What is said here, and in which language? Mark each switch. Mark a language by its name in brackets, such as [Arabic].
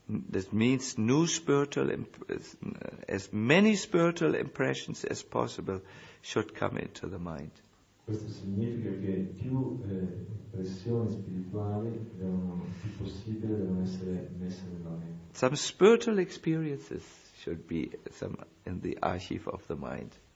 [English] That means new spiritual, as many spiritual impressions as possible should come into the mind. [Italian] Questo significa che più impressioni spirituali più possibile devono essere messe nella mente. [English] Some spiritual experiences should be some in the archive of the mind.